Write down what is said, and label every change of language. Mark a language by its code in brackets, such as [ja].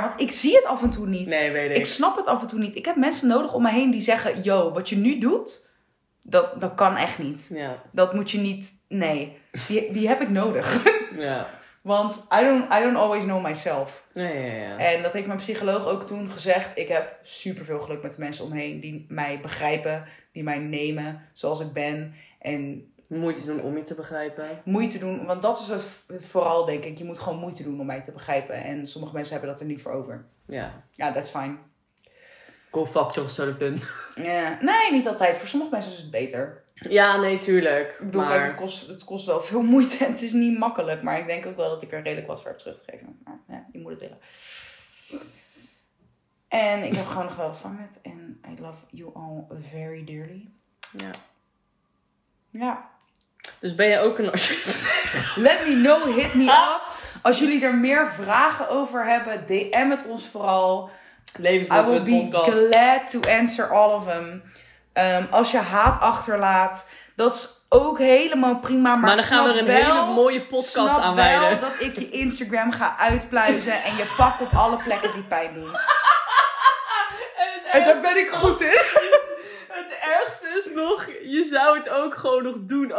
[nl] Want ik zie het af en toe niet. Nee, weet ik. Ik snap het af en toe niet. Ik heb mensen nodig om me heen die zeggen, yo, wat je nu doet, dat kan echt niet. Ja. Dat moet je niet, nee. Die heb ik nodig. Ja. Want [en] I don't always know myself. [nl] Nee, ja, ja. En dat heeft mijn psycholoog ook toen gezegd. Ik heb superveel geluk met de mensen om me heen die mij begrijpen. Die mij nemen zoals ik ben. En moeite doen om je te begrijpen. Moeite doen, want dat is het vooral, denk ik. Je moet gewoon moeite doen om mij te begrijpen. En sommige mensen hebben dat er niet voor over. Ja. Ja, [en] that's fine. Go fuck yourself then. [nl] Ja. Nee, niet altijd. Voor sommige mensen is het beter. Ja, nee, tuurlijk. Ik bedoel, maar het kost wel veel moeite. Het is niet makkelijk. Maar ik denk ook wel dat ik er redelijk wat voor heb teruggegeven. Maar ja, je moet het willen. En ik heb gewoon nog wel van met. En [en] I love you all very dearly. [nl] Ja. Ja. Dus ben jij ook een narcist? [en] Let me know, hit me up. [nl] Als jullie er meer vragen over hebben, DM het ons vooral. Levensboek, [en] I will be [nl] podcast. [en] Glad to answer all of them. [nl] Als je haat achterlaat, dat is ook helemaal prima. Maar dan gaan we er een hele mooie podcast aan wijden. Snap wel dat ik je Instagram ga uitpluizen en je pak op alle plekken die pijn doen. En daar ben ik goed in. Het ergste is nog, je zou het ook gewoon nog doen.